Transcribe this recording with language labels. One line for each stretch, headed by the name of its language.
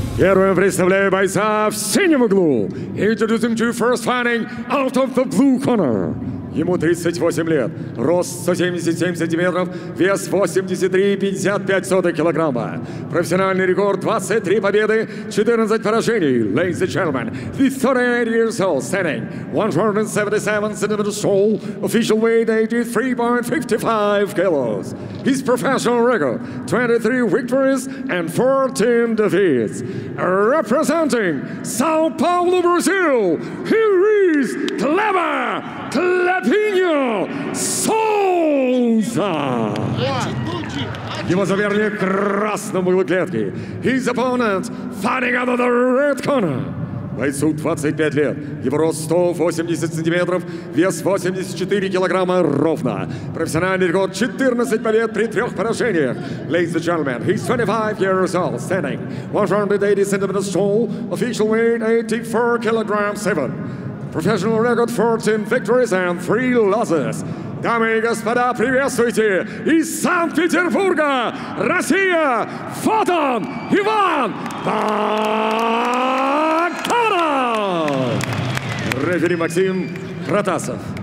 Russian: Первым представляю бойца в синем углу.
English: Introducing to first fighting out of the blue corner.
Russian: Ему 38 лет, рост 177 сантиметров, вес 83,55 килограмма. Профессиональный рекорд 23 победы, 14 поражений.
English: Ladies and gentlemen, he's 38 years old, standing 177 centimeters tall, official weight 83.55 kilos. His professional record 23 victories and 14 defeats. Representing São Paulo, Brazil, here is Clever Клепиньо Солнца!
Russian: Его соперник в красном углу клетки.
English: His opponent fighting out of the red corner.
Russian: Бойцу 25 лет. Его рост 180 сантиметров, вес 84 килограмма ровно. Профессиональный рекорд 14 побед при 3 поражениях.
English: Ladies and gentlemen, he's 25 years old, standing 180 centimeters tall, official weight 84 kilograms 7. Professional record 14 victories and 3 losses.
Russian: Дамы и господа, приветствуйте из Санкт-Петербурга, Россия, Фотон Иван Баканов! Рефери Максим Протасов.